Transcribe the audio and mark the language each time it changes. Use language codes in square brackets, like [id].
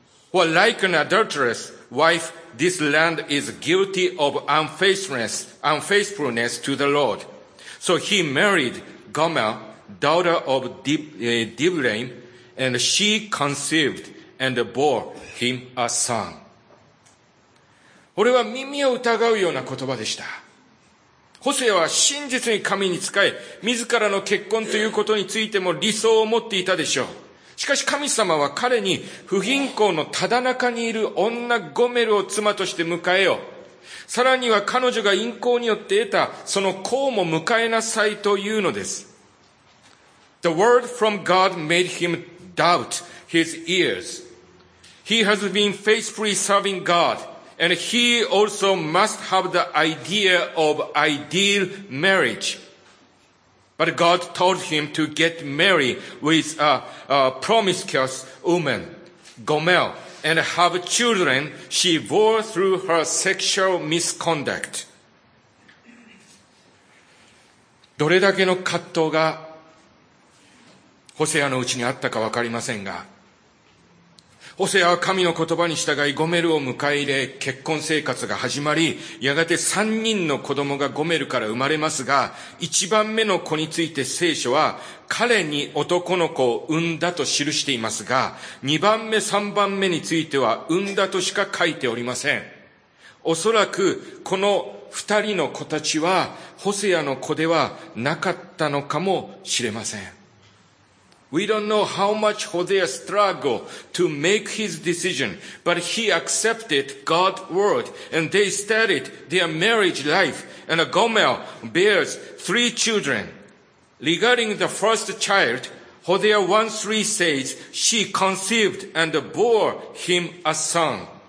[en] For like an adulterous wife, this land is guilty of unfaithfulness to the Lord. So he married Gomer,daughter of Diblaim, and she conceived and bore him a son. [ja] 俺は耳を疑うような言葉でした。ホセアは真実に神に仕え、自らの結婚ということについても理想を持っていたでしょう。しかし神様は彼に不貧困のただ中にいる女ゴメルを妻として迎えよ。さらには彼女が淫行によって得たその子も迎えなさいというのです。 [en] The word from God made him doubt his ears. He has been faithfully serving God, and he also must have the idea of ideal marriage. But God told him to get married with a promiscuous woman, Gomer, and have children she bore through her sexual misconduct. [ja] どれだけの葛藤がホセアのうちにあったか分かりませんが、ホセアは神の言葉に従いゴメルを迎え入れ、結婚生活が始まり、やがて三人の子供がゴメルから生まれますが、一番目の子について聖書は彼に男の子を産んだと記していますが、二番目三番目については産んだとしか書いておりません。おそらくこの二人の子たちはホセアの子ではなかったのかもしれません。 [en] We don't know how much Hosea struggled to make his decision, but he accepted God's word and they started their marriage life. And Gomer bears three children. Regarding the first child, Hosea 1:3 says she conceived and bore him a son.